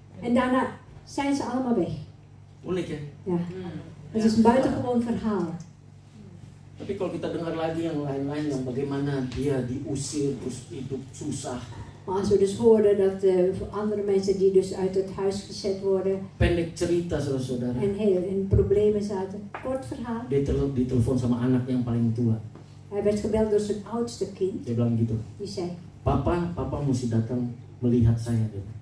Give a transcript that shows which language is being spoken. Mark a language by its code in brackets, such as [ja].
[nl] En daarna zijn ze allemaal weg. [id] Unik ya? Ja. [nl] Het is een buitengewoon verhaal. [id] Tapi kalau kita dengar lagi yang lain-lain, yang bagaimana dia diusir terus hidup susah. [nl] Maar als we dus horen dat andere mensen die dus uit het huis gezet worden. [id] Pendek cerita, saudara. [nl] En heel in problemen zaten. Kort verhaal. [id] Ditelepon sama anak yang paling tua. [nl] Hij werd gebeld door zijn oudste kind. [id] Dia bilang gitu. [nl] Die zei. [id] Papa mesti datang melihat saya. Dia.